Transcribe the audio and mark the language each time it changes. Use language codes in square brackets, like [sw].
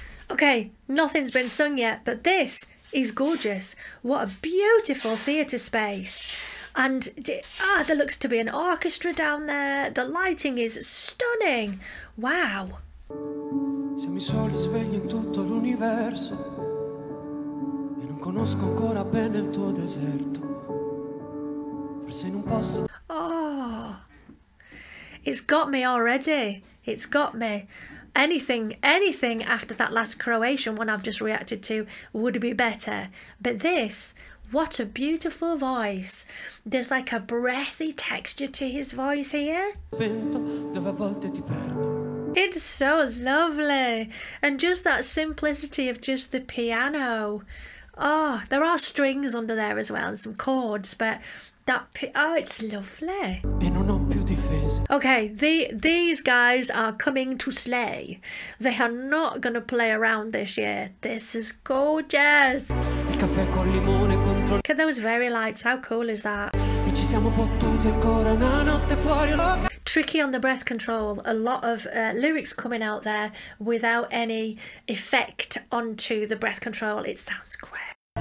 [en] Okay, nothing's been sung yet, but this is gorgeous. What a beautiful theatre space. And there looks to be an orchestra down there. The lighting is stunning. Wow. [it] Siamo i soli svegli in tutto l'universo. Conosco ancora bene il tuo deserto. Forse in un posto. [en] Oh, it's got me already. It's got me. Anything after that last Croatian one I've just reacted to would be better. But this, what a beautiful voice. There's like a breathy texture to his voice here. [it] Dove a volte ti perdo. [en] It's so lovely. And just that simplicity of just the piano. Oh, there are strings under there as well, some chords, but that, it's lovely. [it] E non ho più difese. [en] Okay, these guys are coming to slay. They are not going to play around this year. This is gorgeous. [it] Il caffè col limone contro. [en] Look at those very lights, how cool is that? [it] E ci siamo fottuti ancora una notte fuori. [en] Tricky on the breath control, a lot of lyrics coming out there without any effect onto the breath control. It sounds great.